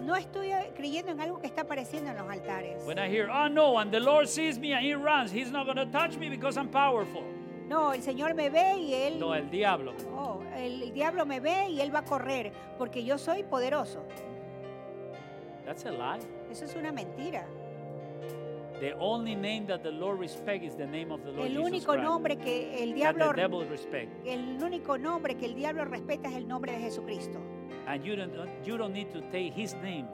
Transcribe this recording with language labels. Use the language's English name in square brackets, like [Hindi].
[Spanish] No estoy creyendo en algo que está apareciendo en los altares. [English] When I hear, oh no, and the Lord sees me and he runs, he's not going to touch me because I'm powerful. [Spanish] No, el Señor me ve y él. No, el diablo. Oh, el diablo me ve y él va a correr porque yo soy poderoso. [English] That's a lie. [Spanish] Eso es una mentira. [English] The only name that the Lord respects is the name of the Lord Jesus Christ. [Spanish] El único nombre que el diablo. [English] That the devil respects. [Spanish] El único nombre que el diablo respeta es el nombre de Jesucristo. [English] And you don't need to take his name.